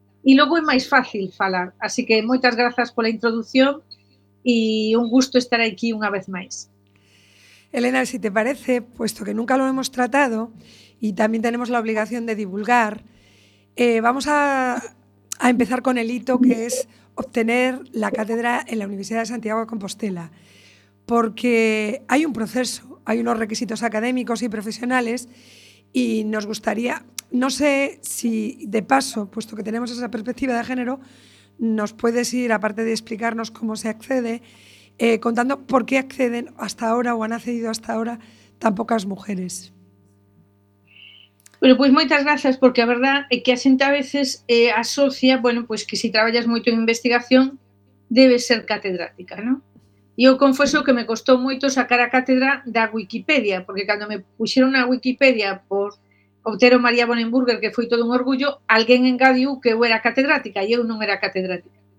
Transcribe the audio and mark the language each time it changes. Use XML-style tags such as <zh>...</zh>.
<gl>E logo é máis fácil falar, así que moitas grazas pola introdución e un gusto estar aquí unha vez máis.</gl> <es>Elena, si te parece, puesto que nunca lo hemos tratado y también tenemos la obligación de divulgar, vamos a empezar con el hito que es obtener la cátedra en la Universidad de Santiago de Compostela, porque hay un proceso, hay unos requisitos académicos y profesionales y nos gustaría, no sé si de paso, puesto que tenemos esa perspectiva de género, nos puedes ir, aparte de explicarnos cómo se accede, contando por qué acceden hasta ahora o han accedido hasta ahora tan pocas mujeres.</es> <gl>Bueno, pois moitas grazas, porque a verdad é que a xente a veces asocia, bueno, pois que se traballas moito en investigación, debe ser catedrática, ¿no? E eu confeso que me costou moito sacar a cátedra da Wikipedia, porque cando me puxeron a Wikipedia por Otero María Bonenburger, que foi todo un orgullo, alguén engadiu que eu era catedrática e eu non era catedrática.</gl>